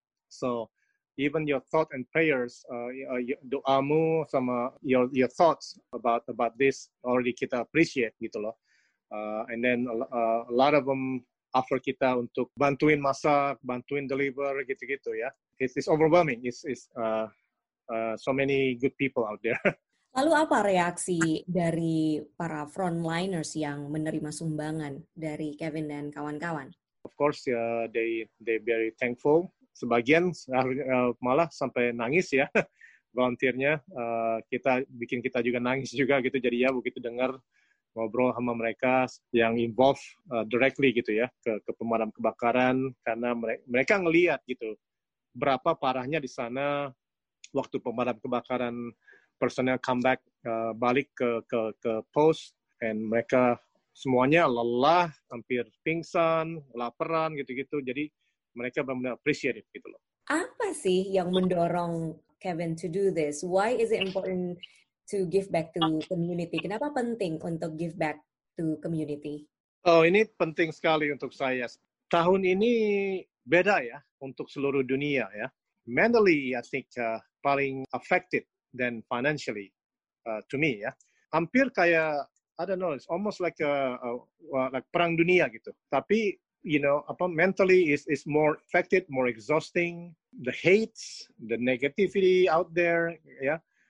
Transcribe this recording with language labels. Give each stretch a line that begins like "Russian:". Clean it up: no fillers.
English: So even your thought and prayers,
Indonesian: doamu sama
English: your thoughts about this already
Indonesian: kita appreciate gitu loh.
English: And then a lot of them offer
Indonesian: kita untuk bantuin masak, bantuin
English: deliver
Indonesian: gitu-gitu ya.
English: It's overwhelming. It's so many good people out there.
Indonesian: Lalu apa reaksi dari para frontliners yang menerima sumbangan dari Kevin dan kawan-kawan?
English: Of course, they very thankful.
Indonesian: Sebagian malah sampai nangis ya, volunteer-nya. Kita juga nangis juga gitu. Jadi ya, begitu dengar ngobrol sama mereka yang
English: involved directly
Indonesian: gitu ya, ke pemadam kebakaran, karena mereka ngelihat gitu berapa parahnya di sana waktu pemadam kebakaran personel comeback balik ke post, and mereka semuanya lelah, hampir pingsan, laparan gitu-gitu. Jadi mereka benar-benar appreciative gitu loh. Apa sih yang mendorong Kevin
English: to do this? Why is it important to give back to community?
Indonesian: Kenapa penting untuk
English: give back to community?
Indonesian: Oh, ini penting sekali untuk saya. Tahun ini beda ya untuk seluruh dunia ya.
English: Mentally, I think
Indonesian: paling
English: affected than financially to me ya.
Indonesian: Hampir kayak,
English: I don't know, it's almost like like
Indonesian: perang dunia gitu. Tapi,
English: you know,
Indonesian: apa,
English: mentally is more affected, more exhausting. The hate, the negativity out there, yeah.